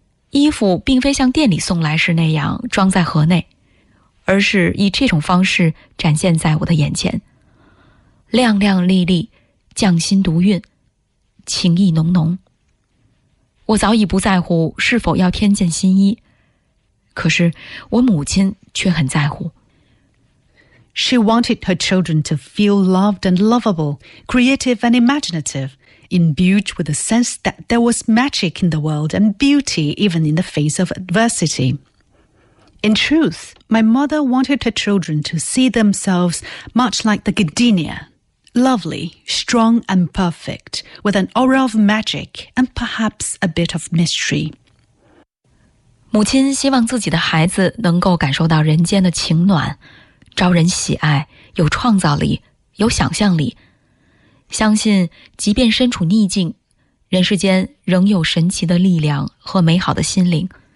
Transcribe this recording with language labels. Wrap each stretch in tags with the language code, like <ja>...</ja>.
<zh>衣服并非像店里送来时那样装在盒内，而是以这种方式展现在我的眼前，亮亮丽丽，匠心独运，情意浓浓。我早已不在乎是否要添件新衣，可是我母亲却很在乎。</zh> <en>She wanted her children to feel loved and lovable, creative and imaginative, imbued with a sense that there was magic in the world and beauty even in the face of adversity. In truth, my mother wanted her children to see themselves much like the gardenia, lovely, strong and perfect, with an aura of magic and perhaps a bit of mystery.</en> <zh>母亲希望自己的孩子能够感受到人间的情暖，招人喜爱，有创造力，有想象力，相信即便身处逆境，人世间仍有神奇的力量和美好的心灵。</zh>